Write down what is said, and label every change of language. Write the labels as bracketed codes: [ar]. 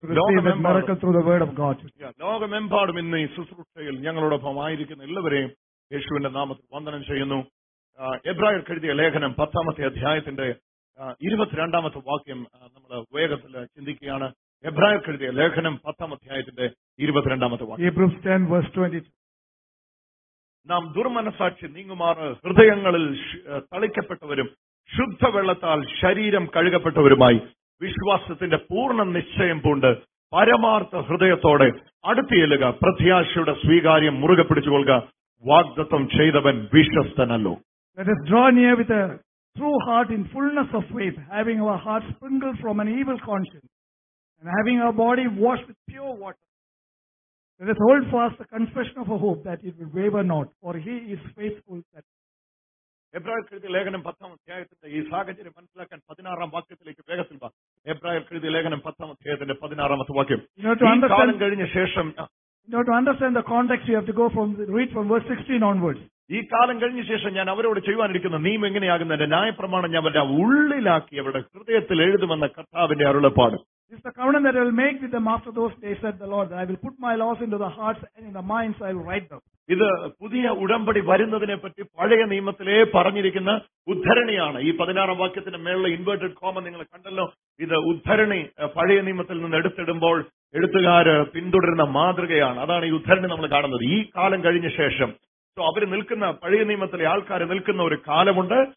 [en] receive his miracle through the word of God. [ml] ലോകമെമ്പാടും ഇന്ന് ഈ ശുശ്രൂഷയിൽ ഞങ്ങളോടൊപ്പം ആയിരിക്കുന്ന എല്ലാവരെയും യേശുവിന്റെ നാമത്തിൽ വന്ദനം ചെയ്യുന്നു. എബ്രായർ എഴുതിയ ലേഖനം 10-ാമത്തെ അധ്യായത്തിന്റെ 22-ാമത്തെ വാക്യം നമ്മൾ വേഗത്തിൽ ചിന്തിക്കുകയാണ്. എബ്രായർ എഴുതിയ ലേഖനം 10-ാമത്തെ 22-ാമത്തെ വാക്യം. [en] Hebrews 10 verse 22. [ml] നാം ദുർമനസാക്ഷി നീങ്ങുമാർ ഹൃദയങ്ങളിൽ തളിക്കപ്പെട്ടവരും ശുദ്ധവെള്ളത്താൽ ശരീരം കഴുകപ്പെട്ടവരുമായി വിശ്വാസത്തിന്റെ പൂർണ്ണ നിശ്ചയം പൂണ്ട് പരമാർത്ഥ ഹൃദയത്തോടെ അടുത്തിയെല്ലുക, പ്രത്യാശയുടെ സ്വീകാര്യം മുറുകെ പിടിച്ചുകൊള്ളുക, വാഗ്ദത്തം ചെയ്തവൻ വിശ്വസ്തനല്ലോ. [en] Let us draw near with a true heart in fullness of faith, having our heart sprinkled from an evil conscience, and having our body washed with pure water. Let us hold fast the confession of our hope, that it will waver not, for he is faithful. [ml] എബ്രായർ എഴുതിയ ലേഖനം 10-ാമത്തെ അധ്യായത്തിന്റെ ഈ സാഹചര്യം മനസ്സിലാക്കാൻ 16-ാം വാക്യത്തിലേക്ക് വേഗത്തിൽ വാ. എബ്രായർ എഴുതിയ ലേഖനം 10-ാമത്തെ അധ്യായത്തിന്റെ 16-ാമത്തെ വാക്യം. കാലം കഴിഞ്ഞ ശേഷം, [en] to understand the context, you have to go from read from verse 16 onwards. [ml] ഈ കാലം കഴിഞ്ഞ ശേഷം ഞാൻ അവരോട് ചെയ്യുവാനിരിക്കുന്ന നിയമം എങ്ങനെയാകുന്ന എന്റെ ന്യായ പ്രമാണം ഞാൻ അവരുടെ ഉള്ളിലാക്കി അവരുടെ ഹൃദയത്തിൽ എഴുതുമെന്ന കർത്താവിന്റെ അരുളപ്പാട്. [en] This is the covenant that I will make with them after those days, said the Lord, that I will put my laws into the hearts and in the minds I will write them. [ml] ഇത് പുതിയ ഉടമ്പടി വരുന്നതിനെ പറ്റി പഴയ നിയമത്തിലെ പറഞ്ഞിരിക്കുന്ന ഉദ്ധരണിയാണ്. ഈ 16-ാം വാക്യത്തിന്റെ മേലുള്ള ഇൻവേർട്ടഡ് കോമ നിങ്ങൾ കണ്ടല്ലോ. ഇത് ഉദ്ധരണി പഴയ നിയമത്തിൽ നിന്ന് എടുത്തിടുമ്പോൾ എഴുത്തുകാർ പിന്തുടരുന്ന മാതൃകയാണ്. അതാണ് ഈ ഉദ്ധരണി നമ്മൾ കാണുന്നത്. ഈ കാലം കഴിഞ്ഞ ശേഷം, സോ അവർ നിൽക്കുന്ന പഴയ നിയമത്തിലെ ആൾക്കാർ നിൽക്കുന്ന ഒരു കാലമുണ്ട്.